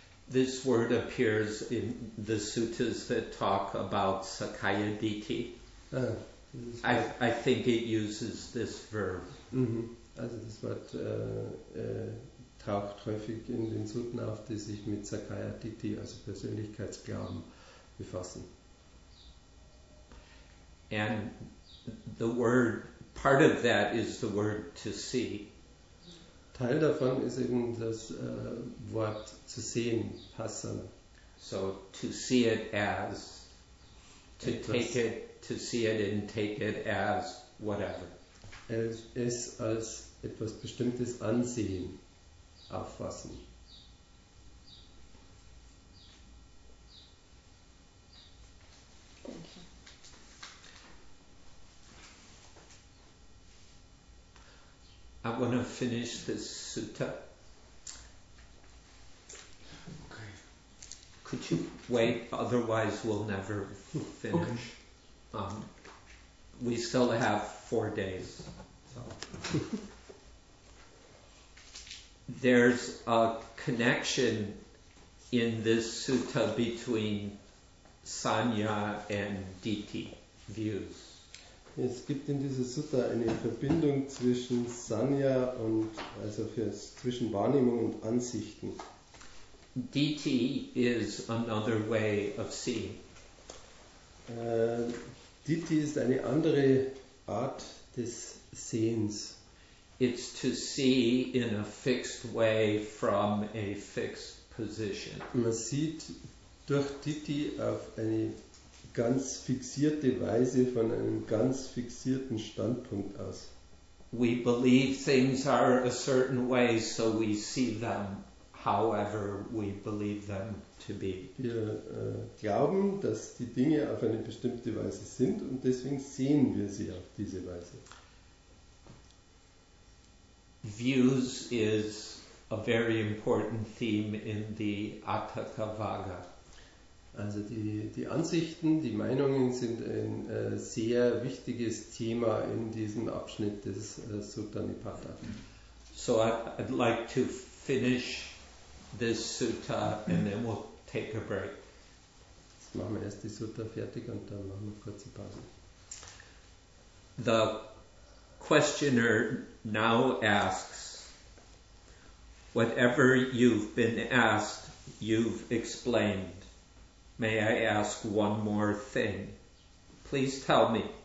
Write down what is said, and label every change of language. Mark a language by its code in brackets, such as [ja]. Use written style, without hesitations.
[en] This word appears in the suttas that talk about Sakaya Ditti. I think it uses this verb. Mm-hmm. [de] Also das Wort taucht häufig in den Sutten auf, die sich mit Sakaya Ditti, also Persönlichkeitsglauben, befassen. [en] And the word, part of that is the word to see. [de] Teil davon ist eben das Wort zu sehen, passen. [en] So to see it as, to take it, to see it and take it as whatever. [de] Es als etwas Bestimmtes ansehen, auffassen. [en] I want to finish this sutta. Okay. Could you wait? Otherwise, we'll never finish. Okay. We still have 4 days. So. There's a connection in this sutta between sanya and ditti views. [de] Es gibt in dieser Sutta eine Verbindung zwischen Sanya und, also zwischen Wahrnehmung und Ansichten. [en] Diti is another way of seeing. [de] Diti ist eine andere Art des Sehens. [en] It's to see in a fixed way from a fixed position. [de] Man sieht durch Diti auf eine ganz fixierte Weise von einem ganz fixierten Standpunkt aus. [en] We believe things are a certain way, so we see them however we believe them to be. [de] Wir glauben, dass die Dinge auf eine bestimmte Weise sind und deswegen sehen wir sie auf diese Weise. [en] Views is a very important theme in the Atthakavaga. [de] Also die Ansichten, die Meinungen sind ein sehr wichtiges Thema in diesem Abschnitt des Sutta Nipata. [en] So I'd like to finish this sutta and then we'll take a break. [de] Jetzt machen wir erst die Sutta fertig und dann machen wir kurze Pause. [en] The questioner now asks, whatever you've been asked, you've explained. May I ask one more thing? Please tell me.